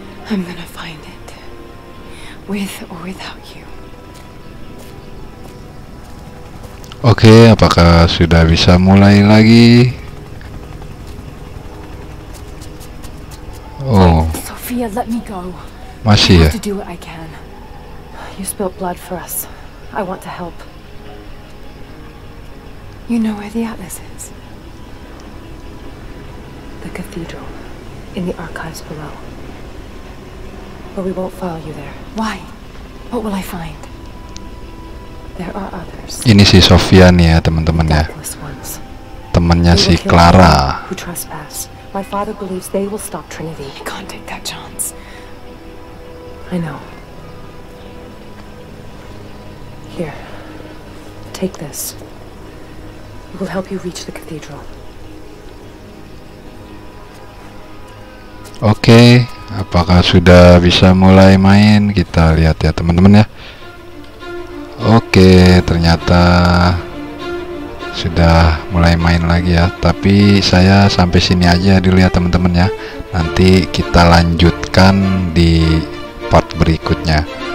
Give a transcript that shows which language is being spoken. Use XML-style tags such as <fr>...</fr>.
<en>I'm gonna find it, with or without you.</en> <id>Oke, apakah sudah bisa mulai lagi? Oh,</id> <en>Sofia, let me go.</en> <id>Masih ya?</id> <en>I have to do what I can. You spilled blood for us. I want to help. You know where the atlas is? The cathedral, in the archives below. But we won't follow you there. Why? What will I find? There are others.</en> <id>Ini si Sofia nih ya teman-teman ya. Temannya si Clara.</id> <en>Who trespassed? My father believes they will stop Trinity. I can't take that chance. I know. Here. Take this. It will help you reach the cathedral.</en> <id>Oke, apakah sudah bisa mulai main? Kita lihat ya teman-teman ya. Oke, ternyata sudah mulai main lagi ya. Tapi saya sampai sini aja dulu ya teman-teman ya. Nanti kita lanjutkan di part berikutnya.</id>